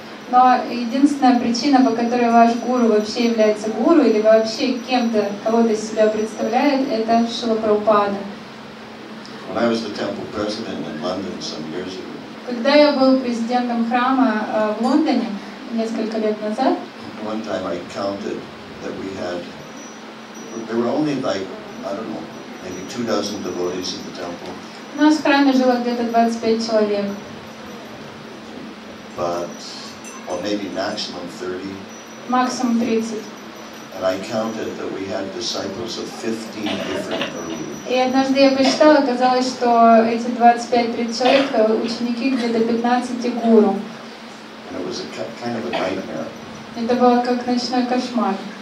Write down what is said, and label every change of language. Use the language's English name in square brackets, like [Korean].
[Russian] Но единственная причина, по которой ваш гуру вообще является гуру, или вообще кем-то, кого-то из себя представляет, это Шрила Прабхупада. [English] When I was the temple president in London some years ago, [Russian] когда я был президентом храма в Лондоне несколько лет назад, [English] one time I counted that we had, there were only like, I don't know, maybe 2,000 devotees in the temple. [Russian] У нас в храме жило где-то 25 человек. [English] But, or maybe maximum 30. [Russian] Максимум 30. [English] And I counted that we had disciples of 15 different gurus. [Russian] И однажды я посчитала, оказалось, что эти 25-30 человек ученики где-то 15 гуру. [English] And it was a kind of a nightmare. [Russian] Это было как ночной кошмар.